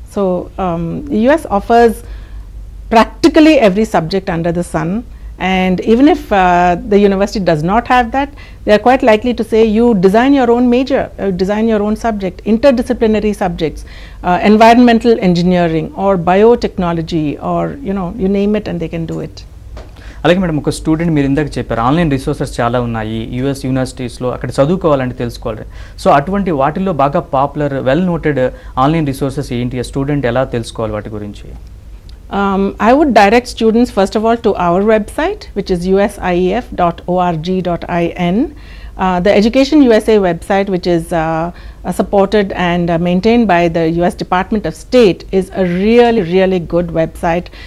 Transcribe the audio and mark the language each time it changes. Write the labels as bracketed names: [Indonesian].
[English] So, the US offers practically every subject under the sun. And even if the university does not have that, they are quite likely to say you design your own major, design your own subject, interdisciplinary subjects, environmental engineering or biotechnology, or you name it and they can do it. [Telugu] అలాగే madam, ఒక student మీరు ఇందాక చెప్పారు online resources చాలా ఉన్నాయి US యూనివర్సిటీస్లో, అక్కడ చదువుకోవాలంటే తెలుసుకోవాలి. So అటువంటి వాటిల్లో బాగా popular well noted online resources ఏంటి, స్టూడెంట్ ఎలా తెలుసుకోవాలి వాటి గురించి? [English] I would direct students first of all to our website, which is usief.org.in. The Education USA website, which is supported and maintained by the US Department of State, is a really, really good website.